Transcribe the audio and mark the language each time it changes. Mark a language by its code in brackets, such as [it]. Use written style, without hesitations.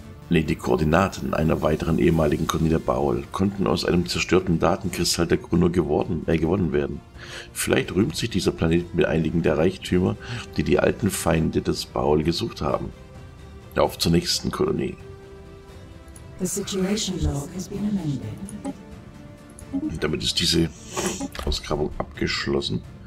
[de] Die Koordinaten einer weiteren ehemaligen Kolonie der Baol konnten aus einem zerstörten Datenkristall der Grunor gewonnen werden. Vielleicht rühmt sich dieser Planet mit einigen der Reichtümer, die die alten Feinde des Baol gesucht haben. Auf zur nächsten Kolonie. [en] The situation log has been amended. [de] Damit ist diese Ausgrabung abgeschlossen.